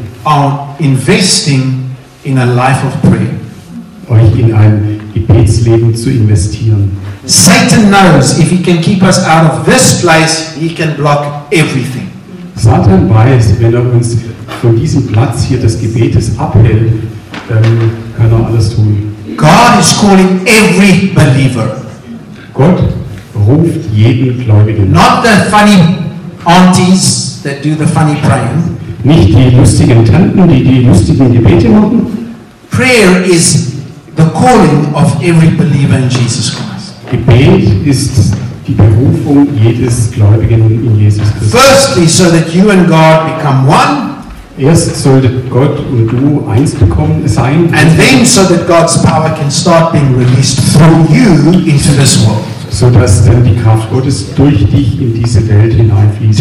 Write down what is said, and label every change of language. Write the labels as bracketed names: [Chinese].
[English] On investing in a life of prayer. [German] Euch in ein Gebetsleben zu investieren. [English] Satan knows if he can keep us out of this place, he can block everything. [German] Satan weiß, wenn er uns von diesem Platz hier des Gebetes abhält, dann kann er alles tun. [English] God is calling every believer. [German] Gott ruft jeden Gläubigen. [English] Not the funny aunties that do the funny praying. [German] Nicht die lustigen Tanten, die lustigen Gebete machen. [English] Prayer is the calling of every believer in Jesus Christ. [German] Gebet ist die Berufung jedes Gläubigen in Jesus Christus. [English] Firstly, so that you and God become one. [German] Erst sollte Gott und du eins bekommen sein. [English] And then so that God's power can start being released through you into this world. [German] So dass dann die Kraft Gottes durch dich in diese Welt hineinfließt.